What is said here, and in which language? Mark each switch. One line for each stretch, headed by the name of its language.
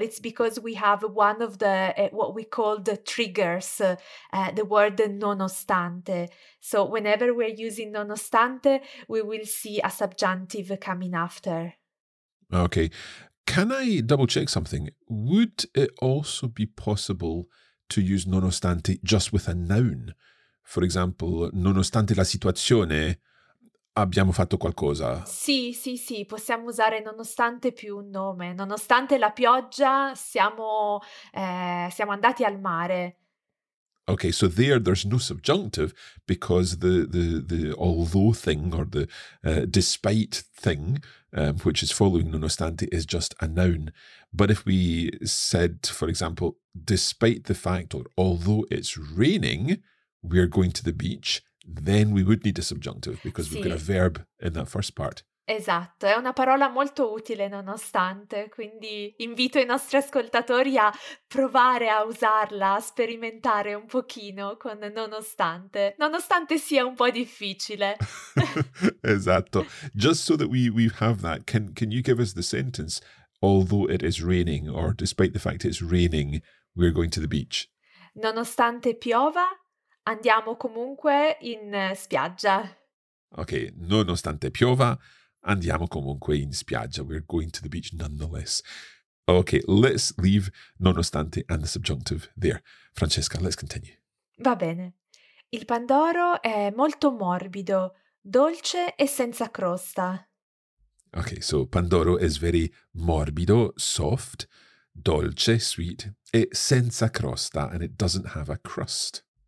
English: It's because we have one of the what we call the triggers, the word nonostante. So whenever we're using nonostante, we will see a subjunctive coming after. Okay. Can I double check something? Would it also be possible to use nonostante just with a noun? For example,
Italian: nonostante la situazione, abbiamo fatto qualcosa. Sì, sì, sì, possiamo usare nonostante più un nome. Nonostante la pioggia, siamo andati al mare.
English: Okay, so there's no subjunctive because the although thing or the despite thing, which is following nonostante, is just a noun. But if we said, for example, despite the fact or although it's raining, we're going to the beach, then we would need a subjunctive because we've got a verb in that first part.
Italian: Esatto, è una parola molto utile nonostante, quindi invito i nostri ascoltatori a provare a usarla, a sperimentare un pochino con nonostante sia un po' difficile.
English: Esatto, just so that we have that, can you give us the sentence, although it is raining, or despite the fact it's raining, we're going to the beach?
Italian: Nonostante piova, andiamo comunque in spiaggia. Ok, nonostante piova, andiamo comunque in spiaggia.
English: We're going to the beach nonetheless. Okay, let's leave nonostante and the subjunctive there. Francesca, let's continue.
Italian: Va bene. Il Pandoro è molto morbido, dolce e senza crosta.
English: Okay, so Pandoro is very morbido, soft, dolce, sweet,
Italian: e senza crosta,
English: and it doesn't have a crust.